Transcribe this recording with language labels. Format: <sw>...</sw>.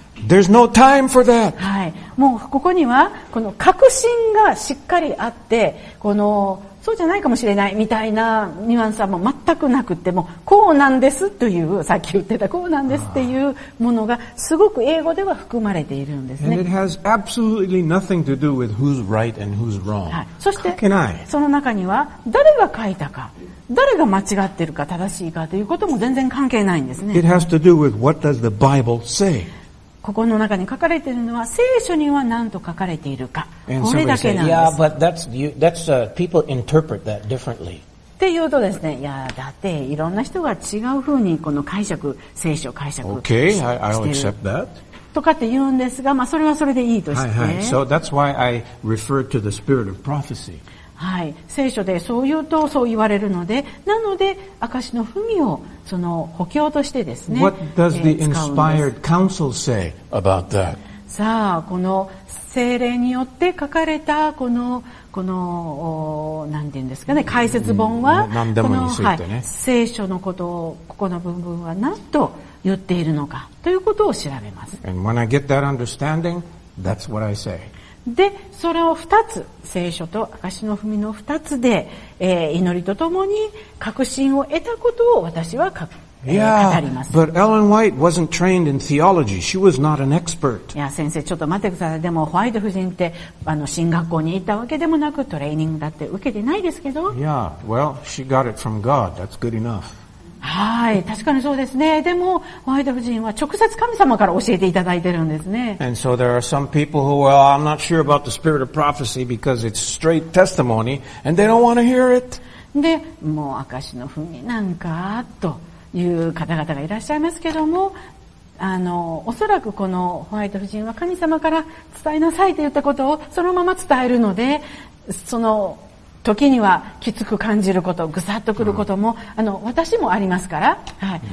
<en>There's no time for that。</en> <ja>はい、もうここにはこの確信がしっかりあって、このそうじゃないかもしれないみたいなニュアンスはもう全くなくて、もうこうなんですという、さっき言ってたこうなんですっていうものがすごく英語では含まれているんですね。</ja> <en>And it has absolutely nothing to do with who's right and who's wrong.</en> <ja>そしてその中には誰が書いたか、誰が間違ってるか正しいかということも全然関係ないんですね。</ja> <en>It has to do with what does the Bible say.</en> <ja>ここの中に書かれているのは聖書には何と書かれているか、これだけなんです。</ja> <en>Yeah, but that's people interpret that differently.</en> <ja>っていうとですね、いやだっていろんな人が違うふうにこの解釈、聖書解釈してる。</ja> <en>Okay, I'll accept that.</en> <ja>とかって言うんですが、まあそれはそれでいいとして。はいはい。</ja> <en>So that's why I refer to the spirit of prophecy.</en> <ja>はい、聖書でそう言うとそう言われるので、なので証の文をその補強としてですね、</ja> <en>What does the inspired counsel say about that?</en> <ja>さあ、この聖霊によって書かれたこの何て言うんですかね、解説本は、何でもについてね、この、はい、聖書のことをここの部分は何と言っているのかということを調べます。</ja> <en>And when I get that understanding, that's what I say.</en> <ja>で、それを2つ、聖書と証の文の2つで、祈りとともに確信を得たことを私は語ります。</ja> <en>But Ellen White wasn't trained in theology. She was not an expert.</en> <ja>いや、先生、ちょっと待ってください。でも、ホワイト夫人って、神学校に行ったわけでもなく、トレーニングだって受けてないですけど。</ja> <en>Yeah, well, she got it from God. That's good enough.</en> <ja>はい、確かにそうですね。でもホワイト夫人は直接神様から教えていただいてるんですね。</ja> <en>And so there are some people who, well, I'm not sure about the spirit of prophecy because it's straight testimony and they don't want to hear it.</en> <ja>で、もう証の文なんかという方々がいらっしゃいますけども、おそらくこのホワイト夫人は神様から伝えなさいと言ったことをそのまま伝えるので、その時にはきつく感じること、ぐさっとくることも、私もありますから、はい。</ja>